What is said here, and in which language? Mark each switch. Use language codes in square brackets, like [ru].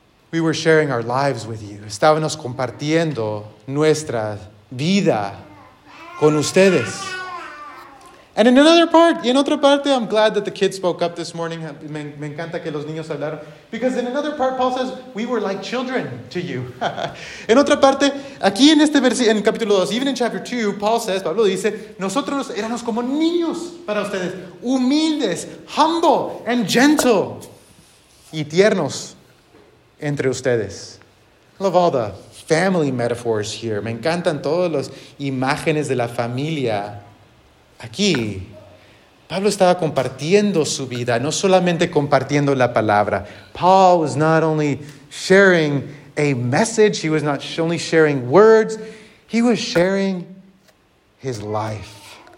[en] We were sharing our lives with you. [es] Estábamos compartiendo nuestra vida con ustedes. [en] And in another part, [es] y en otra parte, [en] I'm glad that the kids spoke up this morning. [es] Me encanta que los niños hablaron. [en] Because in another part, Paul says, we were like children to you. [es] En otra parte, aquí en este versículo, en capítulo 2, [en] even in chapter 2, Paul says, [es] Pablo dice, nosotros éramos como niños para ustedes. Humildes, [en] humble, and gentle. [es] Y tiernos entre ustedes. [en] I love all the family metaphors here. [es] Me encantan todas las imágenes de la familia. Aquí, Pablo estaba compartiendo su vida, no solamente compartiendo la palabra. [en] Paul was not only sharing a message, he was not only sharing words, he was sharing his life.